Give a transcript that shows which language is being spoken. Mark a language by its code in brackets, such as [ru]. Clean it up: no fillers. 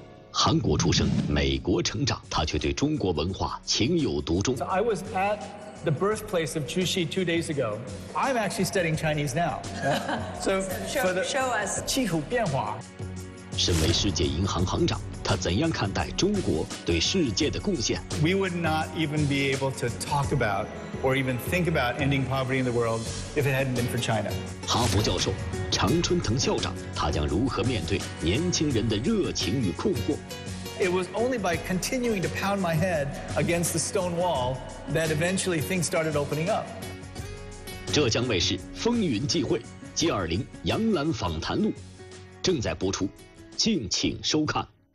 [zh] 韩国出生，美国成长，他却对中国文化情有独钟。 [en] So、I was at the birthplace of Qixi 2 days ago. I'm actually studying Chinese now. So show us [zh] 气候变化。身为世界银行行长，他怎样看待中国对世界的贡献 [en] ？We would not even be able to talk about or even think about ending poverty in the world if it hadn't been for China. [zh] 哈佛教授常春藤校长，他将如何面对年轻人的热情与困惑 [en] ？It was only by continuing to pound my head against the stone wall that eventually things started opening up. [zh] 浙江卫视《风云际会》G20杨澜访谈录正在播出，敬请收看。